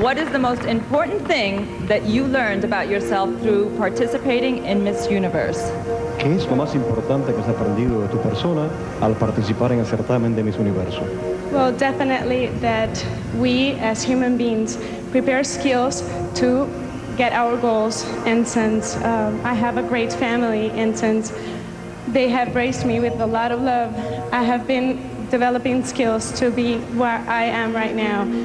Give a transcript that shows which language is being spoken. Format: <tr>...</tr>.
<en>What is the most important thing that you learned about yourself through participating in Miss Universe?</en> <es>¿Qué es lo más importante que has aprendido de tu persona al participar en el certamen de Miss Universo?</es> <en>Well, definitely that we as human beings prepare skills to get our goals, and since I have a great family and since they have raised me with a lot of love, I have been developing skills to be where I am right now.</en>